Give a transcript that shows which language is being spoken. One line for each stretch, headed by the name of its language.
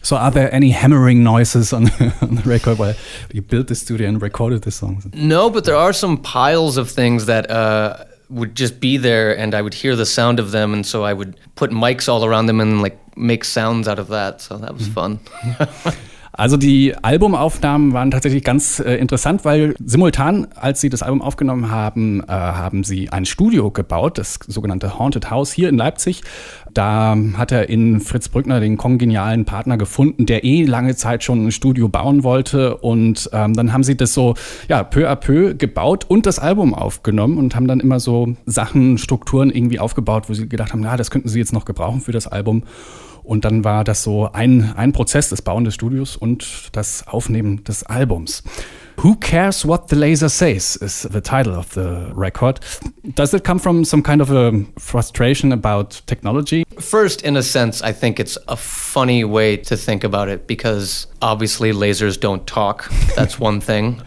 English: So are there any hammering noises on the record while you built the studio and recorded the songs? No, but there are some piles of things that would just be there and I would hear the sound of them. And so I would put mics all around them and like make sounds out of that. So that was fun.
German: Also die Albumaufnahmen waren tatsächlich ganz interessant, weil simultan, als sie das Album aufgenommen haben, haben sie ein Studio gebaut, das sogenannte Haunted House hier in Leipzig. Da hat er in Fritz Brückner den kongenialen Partner gefunden, der eh lange Zeit schon ein Studio bauen wollte. Und dann haben sie das so ja peu à peu gebaut und das Album aufgenommen und haben dann immer so Sachen, Strukturen irgendwie aufgebaut, wo sie gedacht haben, na, das könnten sie jetzt noch gebrauchen für das Album. Und dann war das so ein Prozess, das Bauen des Studios und das Aufnehmen des Albums.
English: Who Cares What the Laser Says is the title of the record. Does it come from some kind of a frustration about technology? First, in a sense, I think it's a funny way to think about it because obviously lasers don't talk. That's one thing.